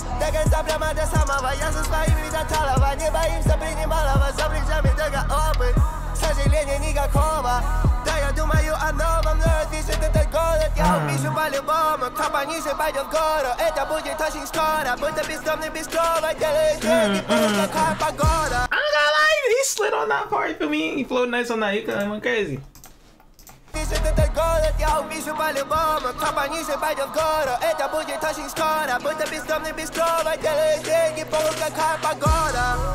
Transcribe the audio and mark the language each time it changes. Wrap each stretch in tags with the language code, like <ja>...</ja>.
<ru>До конца прямо до самого, я со своими до талого. Не боимся принималого, за плечами только опыт. Сожаления никакого. Да, я думаю о новом, но отвечает этот голод. Я увижу по-любому, кто пониже пойдет в гору. Это будет очень скоро, будто бездомный без крова. Делает деньги, будто такая погода.</ru> <en>I'm not gonna lie, he slid on that part for me. He flowed nice on that, you could have went crazy.</en> <ru>Пишет этот голод, я увижу по-любому. Кто пониже пойдет в гору. Это будет очень скоро, будто бездомный без крова. Делает деньги, будто такая погода.</ru>